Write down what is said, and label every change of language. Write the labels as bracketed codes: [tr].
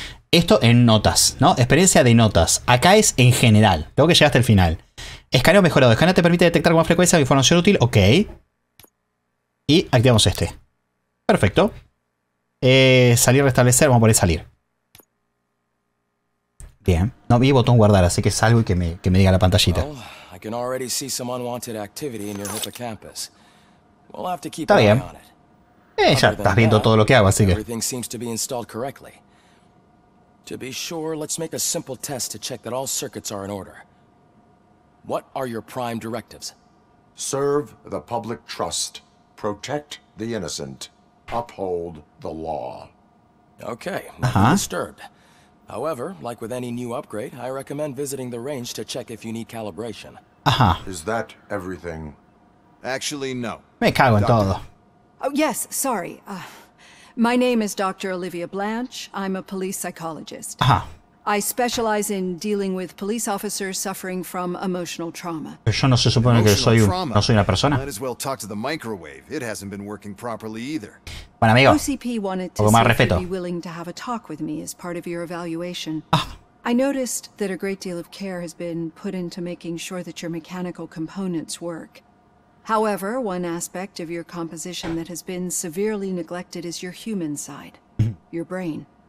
[es] Esto en notas, ¿no? Experiencia de notas. Acá es en general. Tengo que llegar hasta el final. Escaneo mejorado. Escaneo te permite detectar con más frecuencia información útil. Ok. Y activamos este. Perfecto. Salir, restablecer, vamos a poner salir. Bien. No vi botón guardar, así que salgo y que me diga la pantallita. [en] I can already see some unwanted activity in your hippocampus. We'll have to keep an eye on it. [es] Ya estás viendo todo lo que hago, así que. [en] Everything seems to be installed correctly. To be sure, let's make a simple test to check that all circuits are in order. What are your prime directives? Serve the public trust, protect the innocent, uphold the law. Okay, nothing disturbed. However, like with any new upgrade, I recommend visiting the range to check if you need calibration. Is that everything? Actually, no. [es] Me cago en todo. [en] Oh, yes, sorry. My name is Dr. Olivia Blanche. I'm a police psychologist. I specialize in dealing with police officers suffering from emotional trauma. [es] Yo no se supone que soy no soy una persona. [en] Might as well talk to the microwave. It hasn't been working properly either. [es] Bueno, amigo, [en] OCP wanted to see if you'd be willing to have a talk with me as part of your evaluation. I noticed that a great deal of care has been put into making sure that your mechanical components work. However, one aspect of your composition that has been severely neglected is your human side, your brain.